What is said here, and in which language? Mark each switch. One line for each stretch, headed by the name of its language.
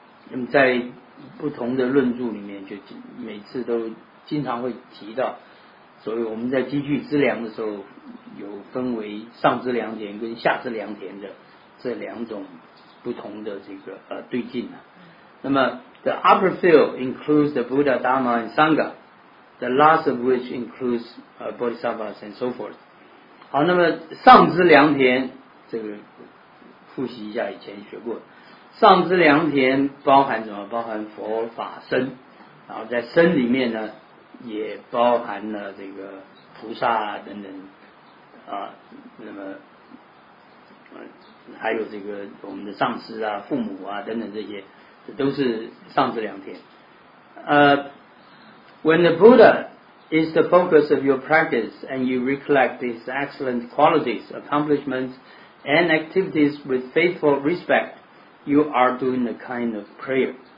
Chinese: 那么在不同的论著里面，就每次都经常会提到，所以我们在积聚资粮的时候，有分为上资粮田跟下资粮田的这两种不同的这个对境啊。那么
English: the upper field includes the Buddha, Dharma, and Sangha, the last of which includes Bodhisattvas and so forth.
Chinese: 好，那么上知良田，这个复习一下以前学过，上知良田包含什么？包含佛法身，然后在身里面呢也包含了这个菩萨等等啊，那么还有这个我们的上师啊、父母啊等等，这些这都是上知良田。
English: When the Buddha is the focus of your practice and you recollect his excellent qualities, accomplishments and activities with faithful respect, you are doing a kind of prayer.